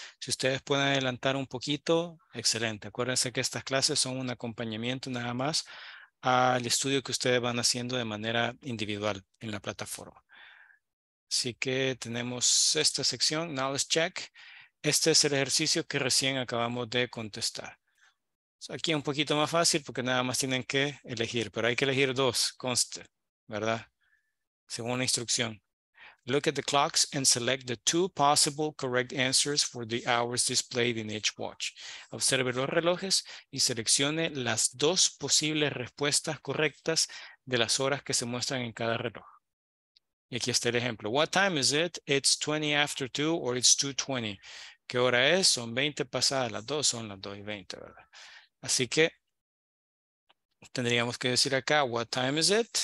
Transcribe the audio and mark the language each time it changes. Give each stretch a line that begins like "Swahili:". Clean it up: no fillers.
Spanish: Si ustedes pueden adelantar un poquito, excelente. Acuérdense que estas clases son un acompañamiento nada más al estudio que ustedes van haciendo de manera individual en la plataforma. Así que tenemos esta sección, Knowledge Check. Este es el ejercicio que recién acabamos de contestar. Aquí es un poquito más fácil porque nada más tienen que elegir, pero hay que elegir dos, conste, ¿verdad? Según la instrucción.
English: Look at the clocks and select the two possible correct answers for the hours displayed in each watch.
Spanish: Observe los relojes y seleccione las dos posibles respuestas correctas de las horas que se muestran en cada reloj. Y aquí está el ejemplo.
English: What time is it? It's 20 after 2 or it's 2:20.
Spanish: ¿Qué hora es? Son 20 pasadas las 2, son las 2:20, ¿verdad? Así que tendríamos que decir acá,
English: what time is it?